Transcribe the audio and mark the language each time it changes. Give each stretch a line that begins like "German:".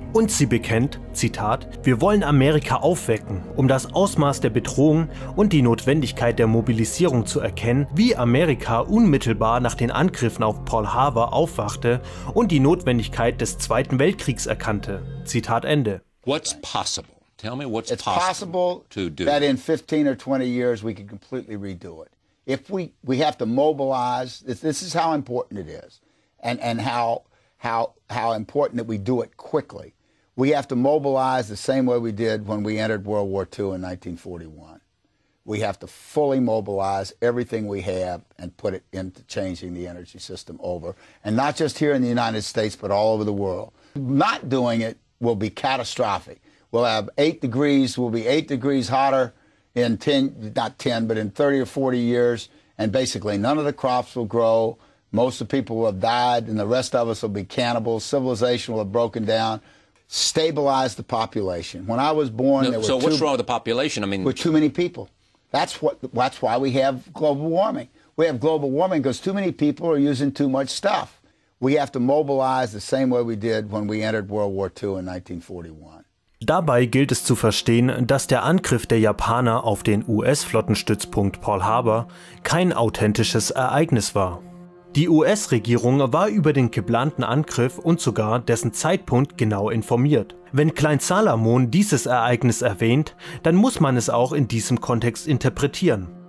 German: Und sie bekennt, Zitat, wir wollen Amerika aufwecken, um das Ausmaß der Bedrohung und die Notwendigkeit der Mobilisierung zu erkennen, wie Amerika unmittelbar nach den Angriffen auf Pearl Harbor aufwachte und die Notwendigkeit des Zweiten Weltkriegs erkannte. Zitat Ende.
English: What's possible? Tell me what's possible. It's possible to do that in 15 or 20 years we can completely redo it. If we have to mobilize, this is how important it is. And how important that we do it quickly. We have to mobilize the same way we did when we entered World War II in 1941. We have to fully mobilize everything we have and put it into changing the energy system over, and not just here in the United States, but all over the world. Not doing it will be catastrophic. We'll have 8 degrees, we'll be 8 degrees hotter in 10, not 10, but in 30 or 40 years, and basically none of the crops will grow. Most of the people will have died, and the rest of us will be cannibals. Civilization will have broken down. Stabilize the population. When I was born, what's wrong with the population? I mean, we're too many people. That's why we have global warming. We have global warming because too many people are using too much stuff. We have to mobilize the same way we did when we entered World War II in 1941.
German: Dabei gilt es zu verstehen, dass der Angriff der Japaner auf den US-Flottenstützpunkt Pearl Harbor kein authentisches Ereignis war. Die US-Regierung war über den geplanten Angriff und sogar dessen Zeitpunkt genau informiert. Wenn Klein Salamon dieses Ereignis erwähnt, dann muss man es auch in diesem Kontext interpretieren.